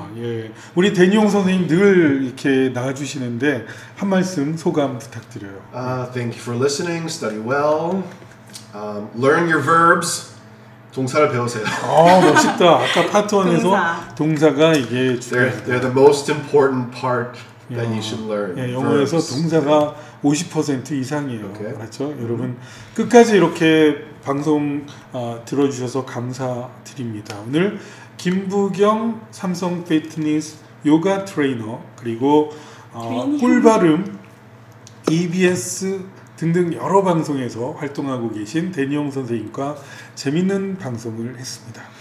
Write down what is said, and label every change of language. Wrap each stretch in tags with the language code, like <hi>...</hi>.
<ko>예, 우리 대니홍 선생님 늘 이렇게 나와주시는데 한 말씀 소감 부탁드려요.</ko> <en>Thank you for listening. Study well. Learn your verbs.</en> <ko>동사를 배우세요. 멋있다. 아까 파트 1에서 동사가 이게 중요해요.</ko> <en>They're the most important part that you should learn.</en> <ko>예, 영어에서 verbs. 동사가 50% 이상이에요. 그렇죠? Okay. 그렇죠? 여러분 끝까지 이렇게 방송 들어주셔서 감사드립니다. 오늘 김부경 삼성피트니스 요가 트레이너 그리고 꿀발음 EBS 등등 여러 방송에서 활동하고 계신 대니용 선생님과 재밌는 방송을 했습니다.</ko>